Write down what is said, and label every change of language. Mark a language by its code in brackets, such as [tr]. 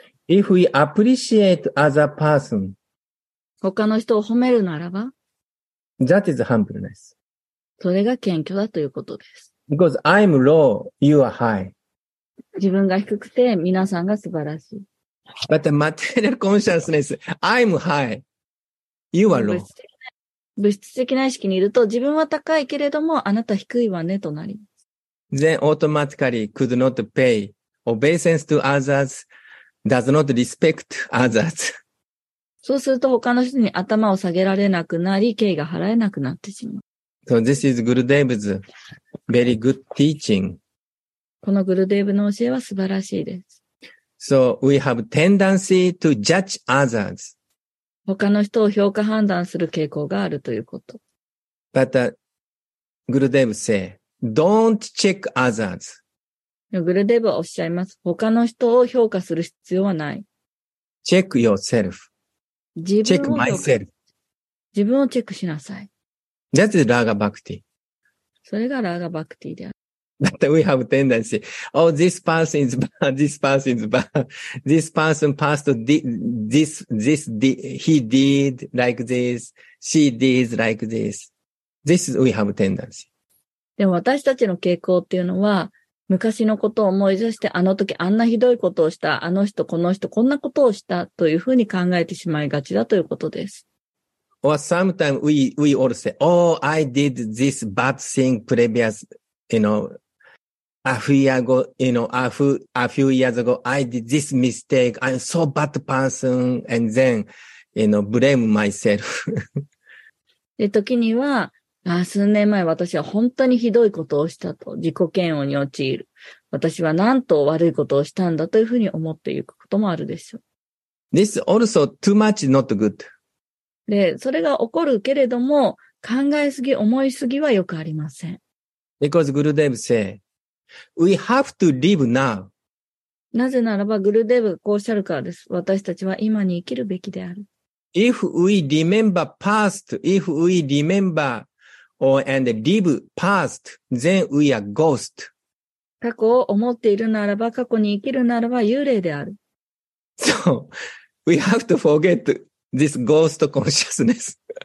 [en] If we appreciate other person, [ja] 他の人を褒めるならば、 [en] That is humbleness. [ja] それが謙虚だということです。 [en] Because I'm low, you are high. [ja] 自分が低くて皆さんが素晴らしい。 [en] But the material consciousness, I'm high, you are low. [ja] 物質的な意識にいると自分は高いけれどもあなた低いわねとなります。 [en] Then automatically could not pay obeisance to others, does not respect others. [ja] そうすると他の人に頭を下げられなくなり、敬意が払えなくなってしまう。 [en] So this is Gurudev's very good teaching. [ja] このグルデーブの教えは素晴らしいです。 [en] So we have tendency to judge others. [ja] 他の人を評価判断する傾向があるということ。 [en] But Gurudev say, don't check others. [ja] グルデーブはおっしゃいます。他の人を評価する必要はない。 [en] Check yourself. Check myself. [ja] 自分をチェックしなさい。 [en] That is Raga Bhakti. [ja] それがラガバクティである。 [en] But we have tendency. Oh, this person is bad. This person is bad. This person passed this, this, he did like this. She did like this. This is we have tendency. [ja] でも私たちの傾向っていうのは、昔のことを思い出して、あの時あんなひどいことをした、あの人、この人、こんなことをしたというふうに考えてしまいがちだということです。 [en] Or sometimes we all say, oh, I did this bad thing previous, you know, a few years ago, you know, a few years ago, I did this mistake, I'm so bad person, and then, you know, blame myself. [ja] で、時には、数年前私は本当にひどいことをしたと自己嫌悪に陥る。私はなんと悪いことをしたんだというふうに思っていくこともあるでしょう。 [en] This also too much not good. [ja] で、それが起こるけれども、考えすぎ、思いすぎはよくありません。 [en] Because Gurudev said, we have to live now. [ja] なぜならば、Gurudev がこうおっしゃるからです。私たちは今に生きるべきである。 [en] If we remember past, if we rememberand live past, then we are ghost. [ja] 過去を思っているならば、過去に生きるならば幽霊である。 [en] So, we have to forget this ghost consciousness.